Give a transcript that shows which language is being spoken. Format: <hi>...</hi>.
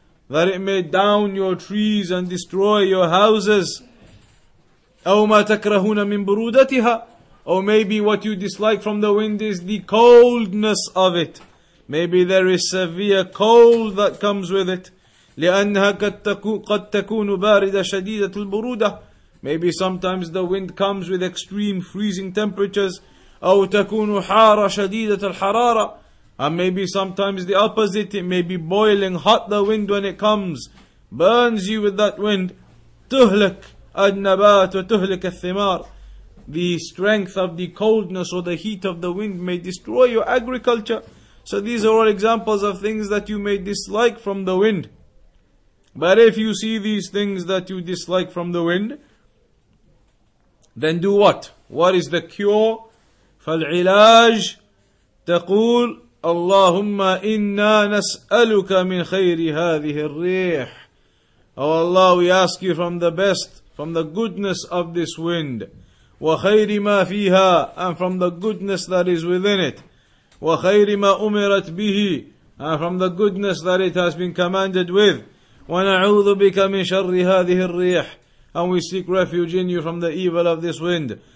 <en>That it may down your trees and destroy your houses.</en> <ar>أَوْ مَا تَكْرَهُونَ مِّنْ بُرُودَتِهَا.</ar> <en>Or maybe what you dislike from the wind is the coldness of it. Maybe there is severe cold that comes with it.</en> <ar>لأنها قد تكون باردة شديدة البرودة.</ar> <en>Maybe sometimes the wind comes with extreme freezing temperatures.</en> <ar>أو تكون حارة شديدة الحرارة.</ar> <en>And maybe sometimes the opposite. It may be boiling hot, the wind, when it comes. Burns you with that wind.</en> <ar>تهلك النبات وتهلك الثمار.</ar> <en>The strength of the coldness or the heat of the wind may destroy your agriculture. So these are all examples of things that you may dislike from the wind. But if you see these things that you dislike from the wind, then do what? What is the cure?</en> <ar>فالعلاج تقول اللهم إنا نسألك من خير هذه الريح.</ar> <en>Oh Allah, we ask you from the best, from the goodness of this wind.</en> <ar>وَخَيْرِ مَا فِيهَا,</ar> <en>and from the goodness that is within it.</en> <ar>وَخَيْرِ مَا أُمِرَتْ بِهِ,</ar> <en>and from the goodness that it has been commanded with.</en> <ar>وَنَعُوذُ بِكَ مِنْ شَرِّ هَذِهِ الرِّيحِ,</ar> <en>and we seek refuge in you from the evil of this wind.</en>